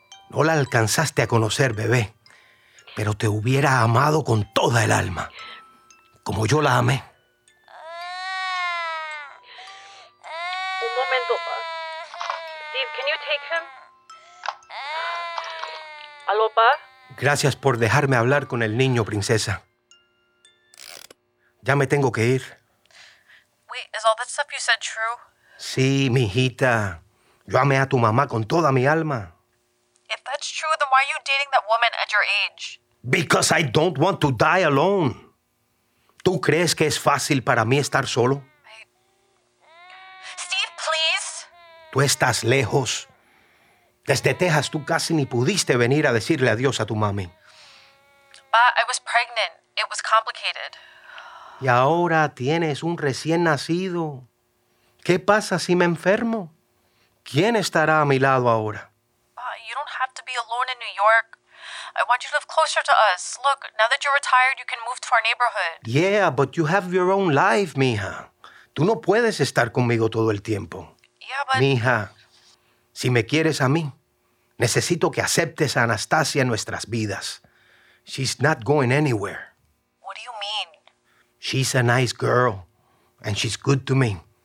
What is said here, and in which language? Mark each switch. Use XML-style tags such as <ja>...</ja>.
<es>No la alcanzaste a conocer, bebé, pero te hubiera amado con toda el alma, como yo la amé. Un momento, pa.</es> <en>Steve, can you take him?</en> <es>¿Aló, pa? Gracias por dejarme hablar con el niño, princesa. Ya me tengo que ir.</es> <en>Wait, is all that stuff you said true?</en> <es>Sí, mi hijita. Yo amé a tu mamá con toda mi alma.</es> <en>If that's true, then why are you dating that woman at your age? Because I don't want to die alone.</en> <es>¿Tú crees que es fácil para mí estar solo?</es> <en>Steve, please.</en> <es>Tú estás lejos. Desde Texas, tú casi ni pudiste venir a decirle adiós a tu mami.</es> <en>But I was pregnant. It was complicated.</en> <es>Y ahora tienes un recién nacido. ¿Qué pasa si me enfermo? ¿Quién estará a mi lado ahora?</es> <en>You don't have to be alone in New York. I want you to live closer to us. Look, now that you're retired, you can move to our neighborhood. Yeah, but you have your own life, mija.</en> <es>Tú no puedes estar conmigo todo el tiempo.</es> <en>Yeah, but...</en> <es>Mija, si me quieres a mí, necesito que aceptes a Anastasia en nuestras vidas.</es> <en>She's not going anywhere. What do you mean? She's a nice girl, and she's good to me.</en>